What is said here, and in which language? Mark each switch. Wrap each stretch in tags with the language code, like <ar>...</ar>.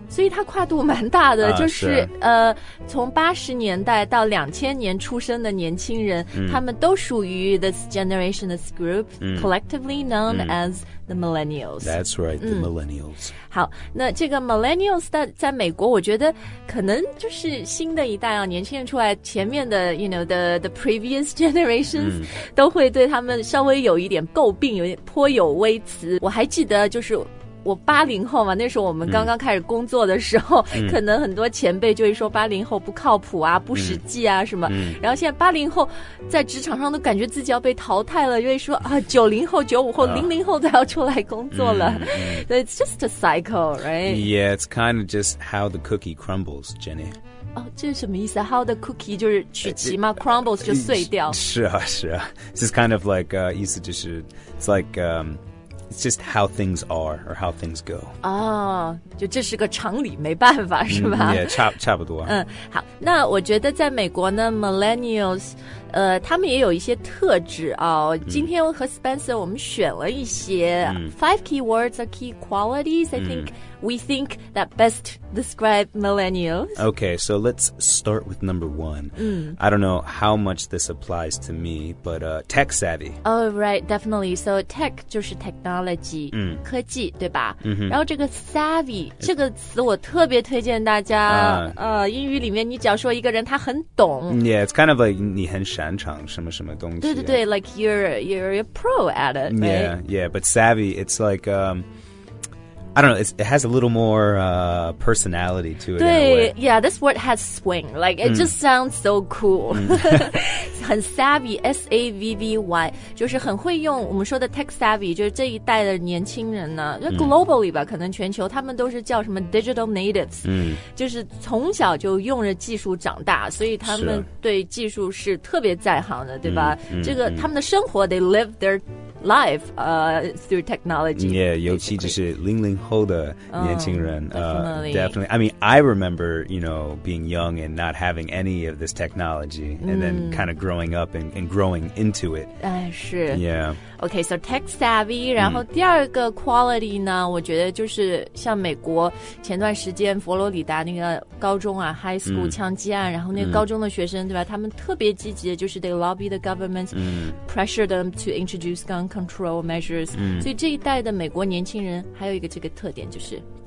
<zh>所以它跨度蛮大的，就是从八十年代到两千年出生的年轻人，他们都属于</zh> <en>this generation, this group. Collectively known as the millennials. That's right, the millennials.</en> <zh>好，那这个 millennials 在美国，我觉得可能就是新的一代啊，年轻人出来，前面的</zh> <en>you know the previous generations</en> <zh>都会对他们稍微有一点诟病，有点颇有微词。我还记得就是。我八零后嘛，那时候我们刚刚开始工作的时候，可能很多前辈就会说八零后不靠谱啊，不实际啊什么。然后现在八零后在职场上都感觉自己要被淘汰了，因为说啊，九零后、九五后、零零后都要出来工作了。</zh> <en>So it's just a cycle, right? Yeah, it's kind of just how the cookie crumbles, Jenny.</en> <zh>这是什么意思 How the cookie 就是曲奇吗 Crumbles 就碎掉。是啊，是啊。</zh> <en>It's just kind of like,</en> <zh>意思就是</zh> <en>it's like, It's just how things are or how things go.</en> <zh>哦、就这是个常理没办法是吧、 yeah, 差不多。好，那我觉得在美国呢 ,millennials, 他们也有一些特质啊、今天和 Spencer 我们选了一些</zh> <en>five key words or key qualities, I think we think that best describe millennials. Okay, so let's start with number one. I don't know how much this applies to me, but tech savvy. Oh, right, definitely.</en> <zh>So tech 就是 technology, 科技对吧、然后这个 savvy, 这个词我特别推荐大家。英语里面你只要说一个人他很懂。</zh> <en>Yeah, it's kind of like</en> <zh>你很擅长什么什么东西、对对对</zh> <en>like you're a pro at it, yeah,、 right? Yeah, but savvy, it's like... I don't know, it has a little more personality to it.</en> <zh>对</zh> <en>yeah, this word has swing. Like, it just sounds so cool.</en> <zh>很 savvy, S-A-V-V-Y. 就是很会用我们说的 tech savvy, 就是这一代的年轻人呢。就 globally 吧、可能全球他们都是叫什么 digital natives.、就是从小就用着技术长大，所以他们对技术是特别在行的，对吧？这个他们的生活</zh> <en>they live their live through technology.</en> <zh>Yeah, 尤其就是零零后的年轻人、</zh> <en>definitely. I mean, I remember, you know, being young and not having any of this technology and then kind of growing up and growing into it.</en> <zh>是</zh> <en>Yeah. Okay, so tech savvy.</en> <zh>然后第二个 quality 呢、嗯、我觉得就是像美国前段时间佛罗里达那个高中啊 high school、嗯、枪击案然后那个高中的学生、嗯、对吧他们特别积极的就是</zh> <en>they lobby the government、</en> <zh>嗯、</zh> <en>pressure them to introduce gun control measures、</en> <zh>嗯、所以这一代的美国年轻人还有一个这个特点就是</zh>